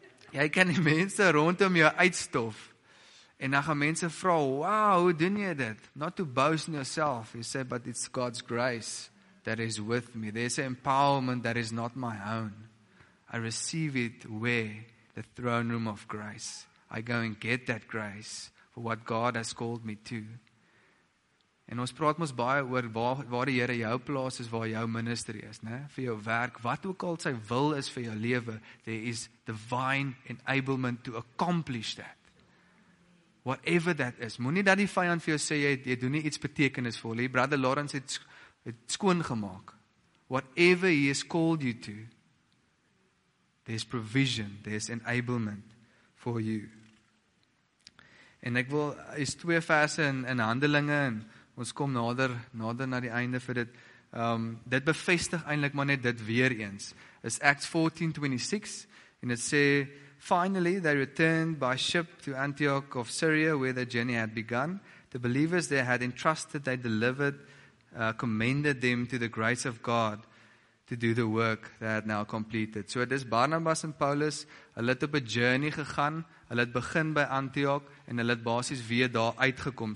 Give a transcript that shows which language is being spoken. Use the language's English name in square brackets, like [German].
[Afrikaans] Jy kan die mense rondom jou uitstof. En dan gaan mense vra, wow, hoe doen jy dit? Not to boast in yourself. [English] You say, but it's God's grace that is with me. There's an empowerment that is not my own. I receive it where? The throne room of grace. I go and get that grace for what God has called me to. [Afrikaans] En ons praat mos baie oor waar die Here jou plaas is, waar jou ministerie is, ne? Vir jou werk, wat ook al sy wil is vir jou leven, there is divine enablement to accomplish that. Whatever that is. Moet nie dat die vijand vir jou sê, jy doen nie iets betekenisvol. Nie. Brother Lawrence het skoon gemaak. [English] Whatever he has called you to, there's provision, there's enablement for you. [Afrikaans] En ek wil, is twee verse in handelinge, en ons kom nader na die einde vir dit. Dit bevestig eindelijk maar net dit weer eens. [English] Is Acts 14:26, en het sê, finally, they returned by ship to Antioch of Syria, where their journey had begun. The believers there had entrusted, they delivered, commended them to the grace of God to do the work they had now completed. [Afrikaans] So it is Barnabas and Paulus, hulle het op 'n journey gegaan, hulle het begin by Antioch, en hulle het basis weer daar uitgekom.